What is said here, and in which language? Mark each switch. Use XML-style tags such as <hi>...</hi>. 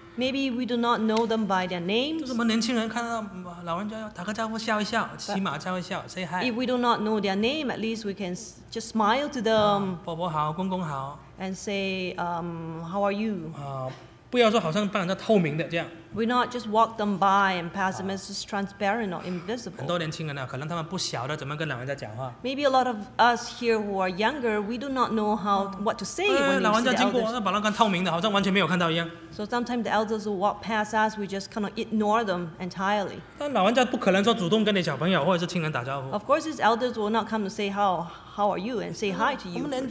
<en>Maybe we do not know them by their names.</en> <zh>就是我们年轻人看到老人家打个招呼，笑一笑，起码笑一笑 ，</zh> <en>say hi. If we do not know their name, at least we can just smile to them.</en> <zh>伯伯好，公公好。</zh> <en>And say, how are you?</en> <zh>啊，不要说好像扮成透明的这样。</zh> <en>We not just walk them by and pass them as transparent or invisible.</en> <zh>很多年轻人呢，可能他们不晓得怎么跟老人家讲话。</zh> <en>Maybe a lot of us here who are younger, we do not know how what to say when we see elders.</en> <zh>老人家经过，把那个透明的，好像完全没有看到一样。</zh> <en>So sometimes the elders will walk past us, we just kind of ignore them entirely.</en> <zh>但老人家不可能说主动跟你小朋友或者是亲人打招呼。</zh> <en>Of course, these elders will not come to say how are you and say hi to you.</en>